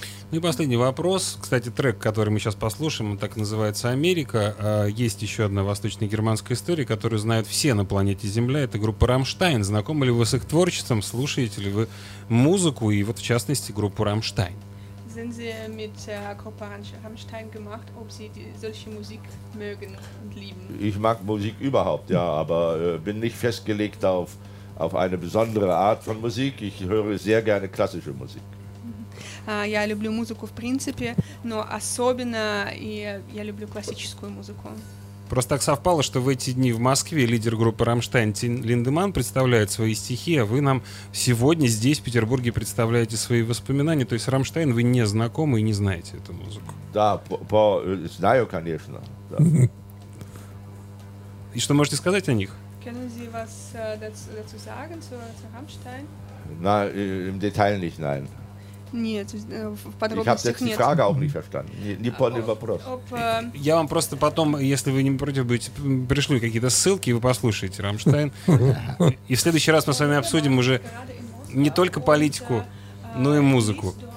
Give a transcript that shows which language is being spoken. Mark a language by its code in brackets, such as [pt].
[ru] Ну и последний вопрос. Кстати, трек, который мы сейчас послушаем, он так называется «Америка». Есть еще одна восточно-германская история, которую знают все на планете Земля. Это группа «Рамштайн». Знакомы ли вы с их творчеством? Слушаете ли вы музыку и вот в частности группу «Рамштайн»? [de] Sind Sie mit Gruppe Rammstein gemacht, ob Sie solche Musik mögen und lieben? Ich mag Musik überhaupt, ja, aber bin nicht festgelegt auf eine besondere Art von Musik. Ich höre sehr gerne klassische Musik. [ru] Я люблю музыку в принципе, но особенно я люблю классическую музыку. Просто так совпало, что в эти дни в Москве лидер группы «Рамштайн» Тин Линдеман представляет свои стихи, а вы нам сегодня здесь, в Петербурге, представляете свои воспоминания. То есть «Рамштайн» вы не знакомы и не знаете эту музыку. Да, знаю, конечно. Да. И что можете сказать о них? [de] Können Sie was dazu sagen, zu «Рамштайн»? Nein, im Detail nicht, nein. [ru] Нет, в подробностях нет. Я сказать, фрага об них что-то. Не понял вопрос. Я вам просто потом, если вы не против будете, пришлю какие-то ссылки, и вы послушаете «Рамштайн». И в следующий раз мы с вами обсудим уже не только политику, но и музыку.